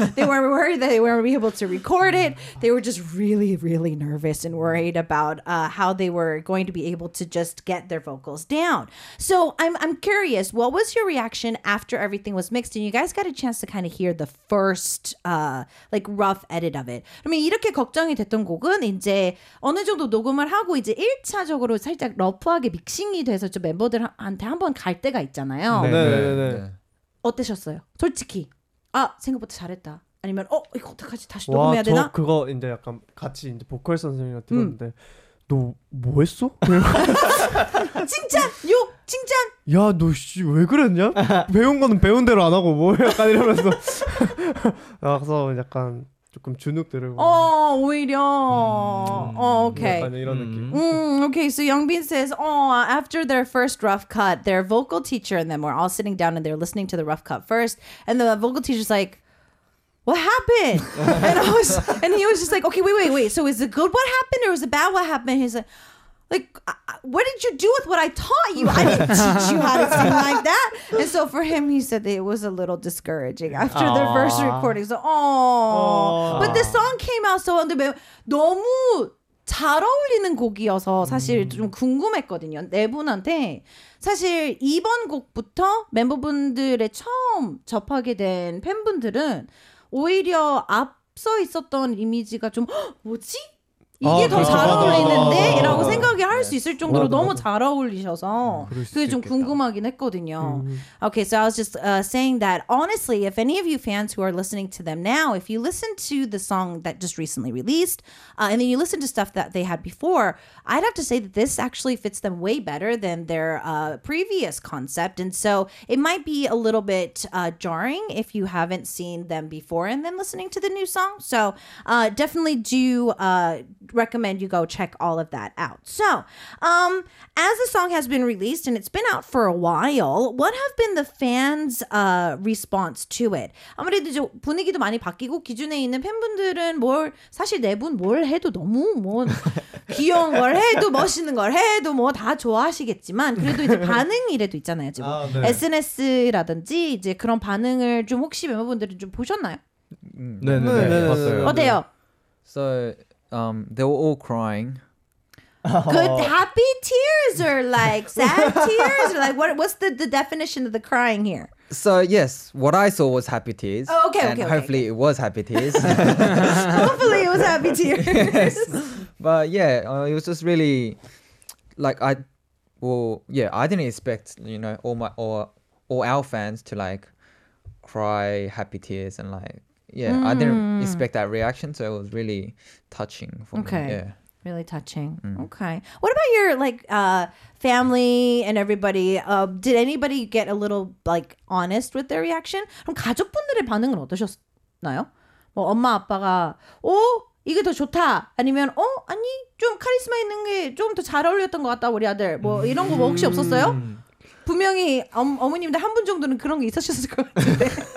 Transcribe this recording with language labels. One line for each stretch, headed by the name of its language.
English: They were worried that they weren't be able to record it. They were just really, really nervous and worried about how they were going to be able to just get their vocals down. So I'm curious, what was your reaction after everything was mixed? And you guys got a chance to kind of hear the first like rough edit of it.
Korean: 그러면 이렇게 걱정이 됐던 곡은 이제 어느 정도 녹음을 하고 이제 1차적으로 살짝 러프하게 믹싱이 돼서 좀 멤버들한테 한번 갈 때가 있잖아요. 네. 어떠셨어요? 솔직히 아 생각보다 잘했다 아니면 어 이거 어떡하지 다시 녹음해야 되나? 와 저 그거 이제 약간 같이 이제 보컬 선생님이랑 들었는데 너 뭐 했어? 칭찬! 욕! 칭찬! 야 너 씨 왜 그랬냐? 배운 거는 배운 대로 안 하고 뭐 약간 이러면서 그래서 약간 조금 주눅 들고 어 오히려 어 오케이 약간 이런 느낌
English: Okay, so Youngbin says, after their first rough cut, their vocal teacher and them were all sitting down and they're listening to the rough cut first. And the vocal teacher's like, what happened? and he was just like, okay, wait. So is it good what happened or is it bad what happened? He's like, what did you do with what I taught you? I didn't teach you how to sing like that. And so for him, he said that it was a little discouraging after their first recording. So, But this song came out so under
Korean: 너무 잘 어울리는 곡이어서 사실 좀 궁금했거든요. 네 분한테 사실 이번 곡부터 멤버분들의 처음 접하게 된 팬분들은 오히려 앞서 있었던 이미지가 좀 뭐지? 이게 더 잘 어울리는데? 라고 생각이 할 수 있을 정도로 너무 잘 어울리셔서 그게 좀 궁금하긴 했거든요.
English: Okay, so I was just saying that honestly, if any of you fans who are listening to them now, if you listen to the song that just recently released and then you listen to stuff that they had before, I'd have to say that this actually fits them way better than their previous concept. And so it might be a little bit jarring if you haven't seen them before and then listening to the new song. So definitely do... recommend you go check all of that out. So, as the song has been released and it's been out for a while, what have been the fans' response to it?
Korean: 아무래도 이제 분위기도 많이 바뀌고 기존에 있는 팬분들은 뭘 사실 네 분 뭘 해도 너무 뭐 귀여운 걸 해도 멋있는 걸 해도 뭐 다 좋아하시겠지만 그래도 이제 반응이라도 있잖아요 지금 아, 네. SNS라든지 이제 그런 반응을 좀 혹시 멤버분들은 좀 보셨나요? 네, 봤어요. 어때요?
English: So they were all crying. Good happy tears or like sad tears? Or like what's the definition of the crying here? So yes, what I saw was happy tears. Oh, okay, and okay. Hopefully okay. It was happy tears. Hopefully it was happy tears. Yes. But yeah, it was just really like I didn't expect, you know, all our fans to like cry happy tears and like yeah, I didn't expect that reaction, so it was really touching for me. Yeah. Really touching. Mm. Okay. What about your like family and everybody? Did anybody get a little like honest with their reaction?
Korean: 그럼 가족분들의 반응은 어떠셨나요? 뭐 엄마 아빠가 오 이게 더 좋다 아니면 어 아니 좀 카리스마 있는 게 좀 더 잘 어울렸던 것 같다 우리 아들 뭐 이런 거 뭐 혹시 없었어요? 분명히 어머님들 한 분 정도는 그런 게 있으셨을 것 같은데.